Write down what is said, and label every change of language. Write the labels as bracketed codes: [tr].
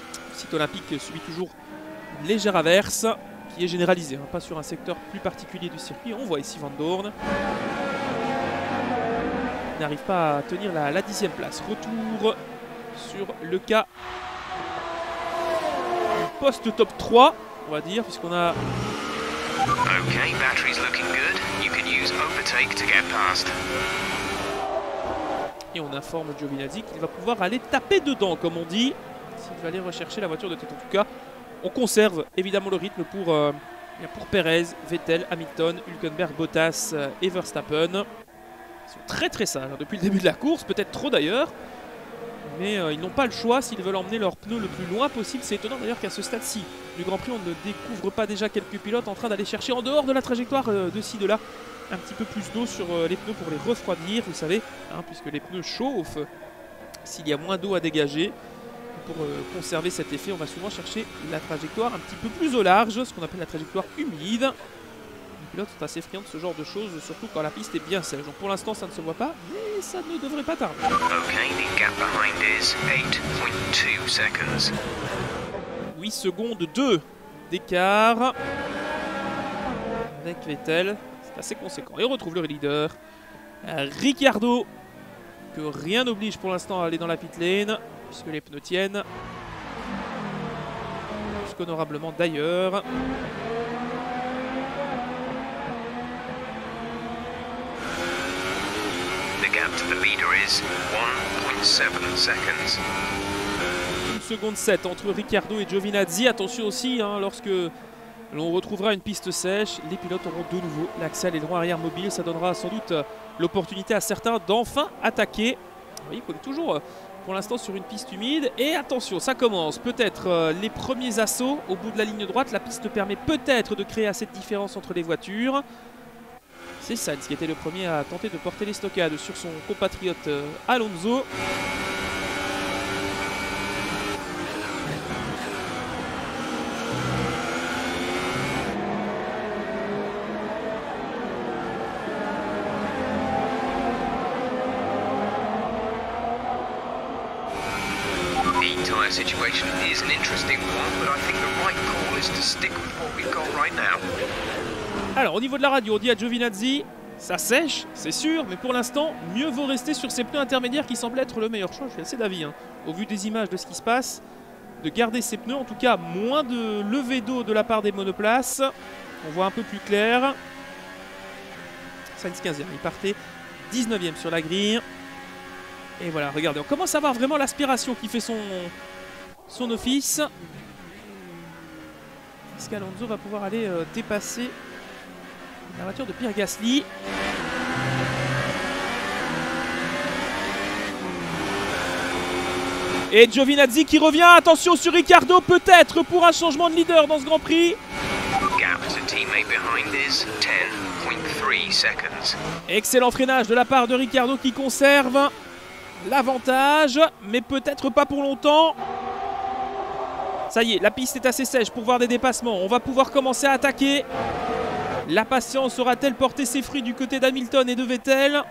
[fr] Le site olympique subit toujours une légère averse qui est généralisée, hein, pas sur un secteur plus particulier du circuit. On voit ici Vandoorne. Il n'arrive pas à tenir la 10e place. Retour sur le cas poste top 3, on va dire, puisqu'on a [en] okay, battery's looking good. You can use overtake to get past. [fr] Et on informe Giovinazzi qu'il va pouvoir aller taper dedans, comme on dit, s'il va aller rechercher la voiture de tête. En tout cas, on conserve évidemment le rythme pour Perez, Vettel, Hamilton, Hülkenberg, Bottas et Verstappen. Ils sont très très sages depuis le début de la course, peut-être trop d'ailleurs. Mais ils n'ont pas le choix s'ils veulent emmener leurs pneus le plus loin possible. C'est étonnant d'ailleurs qu'à ce stade-ci du Grand Prix, on ne découvre pas déjà quelques pilotes en train d'aller chercher en dehors de la trajectoire de ci, de là, un petit peu plus d'eau sur les pneus pour les refroidir, vous savez, hein, puisque les pneus chauffent s'il y a moins d'eau à dégager. Pour conserver cet effet, on va souvent chercher la trajectoire un petit peu plus au large, ce qu'on appelle la trajectoire humide. Les pilotes sont assez friands de ce genre de choses, surtout quand la piste est bien sèche. Donc pour l'instant, ça ne se voit pas, mais ça ne devrait pas tarder. [en] Okay, the gap behind is 8.2 seconds. [fr] 8 secondes 2 d'écart avec Vettel. C'est assez conséquent. Et on retrouve le leader, Ricciardo, que rien n'oblige pour l'instant à aller dans la pit lane, puisque les pneus tiennent, plus qu'honorablement d'ailleurs. [en] The gap to the leader is 1.7 seconds. [fr] 1 seconde 7 entre Ricciardo et Giovinazzi. Attention aussi, hein, lorsque l'on retrouvera une piste sèche, les pilotes auront de nouveau l'accès à l'aileron arrière mobile. Ça donnera sans doute l'opportunité à certains d'enfin attaquer. Vous voyez qu'on est toujours pour l'instant sur une piste humide. Et attention, ça commence. Peut-être les premiers assauts au bout de la ligne droite. La piste permet peut-être de créer assez de différence entre les voitures. C'est Sainz qui était le premier à tenter de porter l'estocade sur son compatriote Alonso. [en] Situation is an interesting one, but I think the right call is to stick with what we've got right now. [fr] Alors, au niveau de la radio, on dit à Giovinazzi, ça sèche, c'est sûr, mais pour l'instant, mieux vaut rester sur ces pneus intermédiaires qui semblent être le meilleur choix. Je suis assez d'avis, hein. Au vu des images de ce qui se passe, de garder ces pneus, en tout cas, moins de levée d'eau de la part des monoplaces. On voit un peu plus clair. Sainz 15e, il partait 19e sur la grille. Et voilà, regardez, on commence à voir vraiment l'aspiration qui fait son office. Est-ce qu'Alonso va pouvoir aller dépasser la voiture de Pierre Gasly? Et Giovinazzi qui revient, attention sur Ricciardo, peut-être pour un changement de leader dans ce Grand Prix. [en] Gap to teammate behind is 10.3 seconds. [fr] Excellent freinage de la part de Ricciardo qui conserve l'avantage, mais peut-être pas pour longtemps. Ça y est, la piste est assez sèche pour voir des dépassements. On va pouvoir commencer à attaquer. La patience aura-t-elle porté ses fruits du côté d'Hamilton et de Vettel?